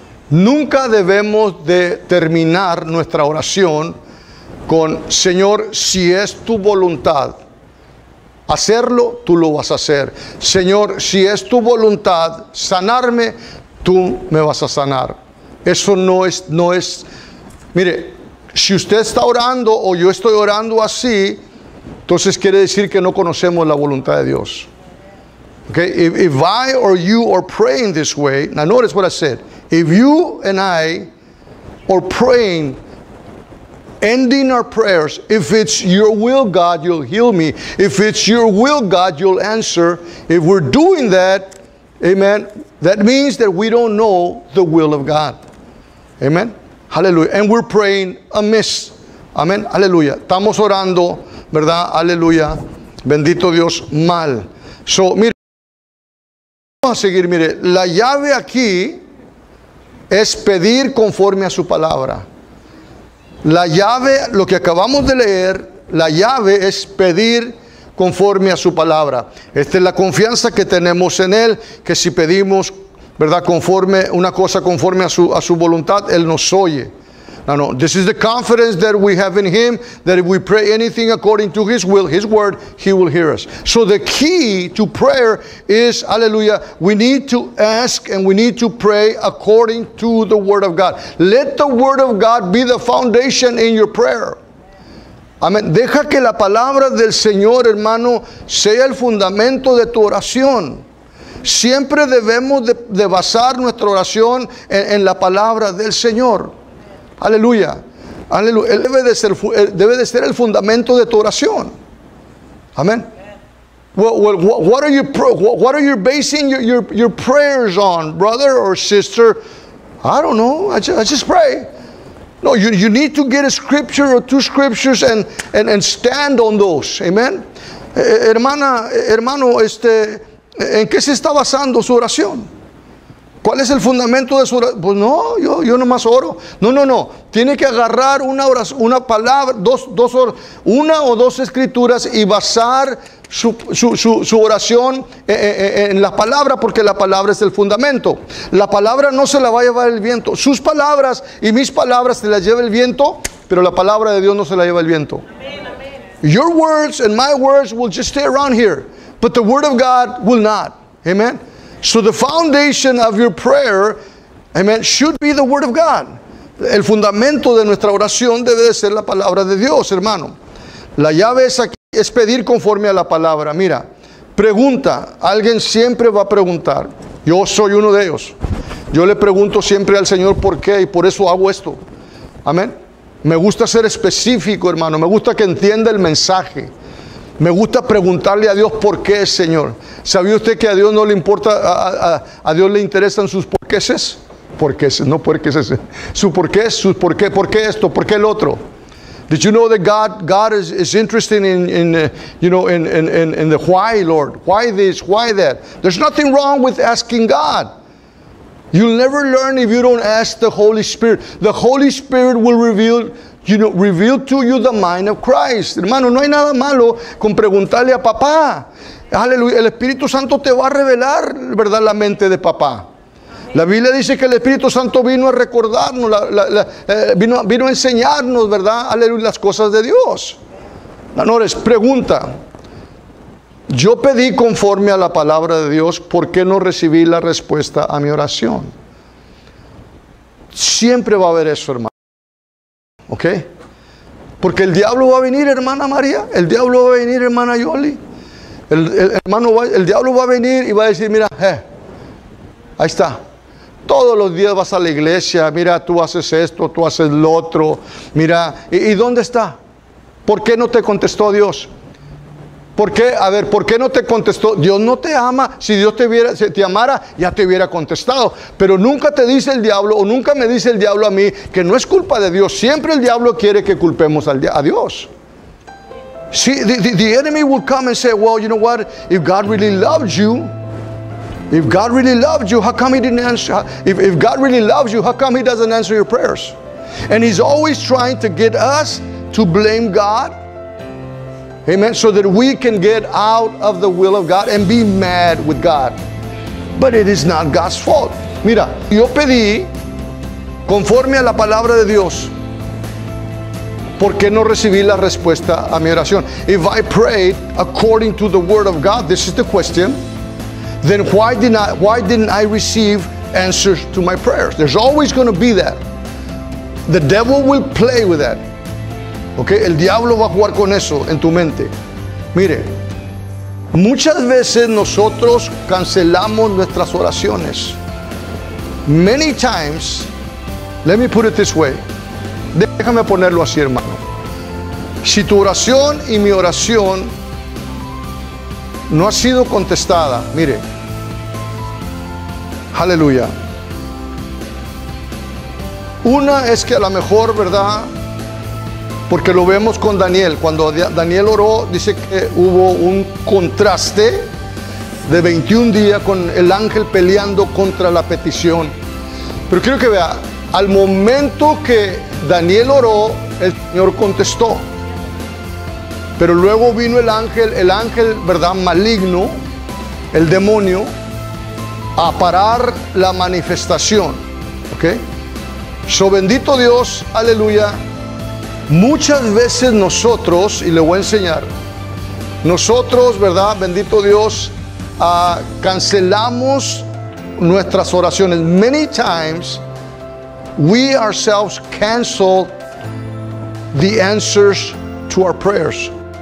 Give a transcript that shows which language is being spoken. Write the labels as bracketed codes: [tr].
[es] Nunca debemos de terminar nuestra oración con, Señor, si es tu voluntad hacerlo, tú lo vas a hacer. Señor, si es tu voluntad sanarme, tú me vas a sanar. Eso no es, mire, si usted está orando o yo estoy orando así, entonces quiere decir que no conocemos la voluntad de Dios. [en] Okay, if I or you are praying this way, now notice what I said. If you and I are praying, ending our prayers, if it's your will, God, you'll heal me. If it's your will, God, you'll answer. If we're doing that, amen, that means that we don't know the will of God. Amen. Hallelujah. And we're praying amiss. Amen. Hallelujah. [es] Estamos orando, ¿verdad? Hallelujah. Bendito Dios, mal. So, mire. Vamos a seguir, mire, la llave aquí es pedir conforme a su palabra. La llave, lo que acabamos de leer, la llave es pedir conforme a su palabra. Esta es la confianza que tenemos en Él, que si pedimos, ¿verdad?, conforme, una cosa conforme a su voluntad, Él nos oye. [en] No, this is the confidence that we have in Him, that if we pray anything according to His will, His word, He will hear us. So the key to prayer is, hallelujah, we need to ask and we need to pray according to the word of God. Let the word of God be the foundation in your prayer. Amen. [es] Deja que la palabra del Señor, hermano, sea el fundamento de tu oración. Siempre debemos de basar nuestra oración en la palabra del Señor. Aleluya, aleluya. Él debe de ser el fundamento de tu oración. Amén. [en] Well, what are you basing your prayers on, brother or sister? I don't know. I just pray. No, you need to get a scripture or two scriptures and stand on those. Amen. [es] Hermano, ¿en qué se está basando su oración? ¿Cuál es el fundamento de su oración? Pues no, yo nomás oro. No. Tiene que agarrar una oración, una palabra, dos una o dos escrituras y basar su oración en la palabra, porque la palabra es el fundamento. La palabra no se la va a llevar el viento. Sus palabras y mis palabras se las lleva el viento, pero la palabra de Dios no se la lleva el viento. [en] Your words and my words will just stay around here, but the word of God will not. Amen. So the foundation of your prayer, amen, should be the word of God. [es] El fundamento de nuestra oración debe de ser la palabra de Dios, hermano. La llave es aquí, es pedir conforme a la palabra. Mira, pregunta. Alguien siempre va a preguntar. Yo soy uno de ellos. Yo le pregunto siempre al Señor por qué, y por eso hago esto. Amén. Me gusta ser específico, hermano. Me gusta que entienda el mensaje. Me gusta preguntarle a Dios por qué, Señor. ¿Sabía usted que a Dios no le importa, a Dios le interesan sus porqueses? ¿Por qué esto? ¿Por qué el otro? [en] Did you know that God is interested in the why, Lord? Why this? Why that? There's nothing wrong with asking God. You'll never learn if you don't ask the Holy Spirit. The Holy Spirit will reveal to you the mind of Christ. [es] Hermano, no hay nada malo con preguntarle a papá. Aleluya, el Espíritu Santo te va a revelar, ¿verdad?, la mente de papá. La Biblia dice que el Espíritu Santo vino a recordarnos, vino a enseñarnos, ¿verdad?, aleluya, las cosas de Dios. Honores, pregunta. Yo pedí conforme a la palabra de Dios, ¿por qué no recibí la respuesta a mi oración? Siempre va a haber eso, hermano. ¿Ok? Porque el diablo va a venir, hermana María. El diablo va a venir, hermana Yoli. El diablo va a venir y va a decir, mira, Ahí está. Todos los días vas a la iglesia, mira, tú haces esto, tú haces lo otro, mira, ¿y dónde está? ¿Por qué no te contestó Dios? ¿Por qué? A ver, ¿por qué no te contestó? Dios no te ama. Si Dios te viera, si te amara, ya te hubiera contestado. Pero nunca te dice el diablo, o nunca me dice el diablo a mí, que no es culpa de Dios. Siempre el diablo quiere que culpemos a Dios. [en] Sí, the enemy will come and say, well, you know what? If God really loved you, if God really loved you, how come he didn't answer? If God really loves you, how come he doesn't answer your prayers? And he's always trying to get us to blame God. Amen. So that we can get out of the will of God and be mad with God. But it is not God's fault. [es] Mira, yo pedí conforme a la palabra de Dios. ¿Por qué no recibí la respuesta a mi oración? [en] If I prayed according to the word of God, this is the question, then why didn't I receive answers to my prayers? There's always going to be that. The devil will play with that. [es] Okay, el diablo va a jugar con eso en tu mente. Mire, muchas veces nosotros cancelamos nuestras oraciones. [en] Many times, let me put it this way. [es] Déjame ponerlo así, hermano. Si tu oración y mi oración no ha sido contestada, mire, aleluya. Una es que a lo mejor, ¿verdad? Porque lo vemos con Daniel. Cuando Daniel oró, dice que hubo un contraste de 21 días con el ángel peleando contra la petición. Pero quiero que vea, al momento que Daniel oró, el Señor contestó. Pero luego vino el ángel, ¿verdad? Maligno, el demonio, a parar la manifestación. ¿Ok? So bendito Dios, aleluya. Muchas veces nosotros, y le voy a enseñar, nosotros, ¿verdad? Bendito Dios, cancelamos nuestras oraciones. [en] Many times we ourselves cancel the answers to our prayers.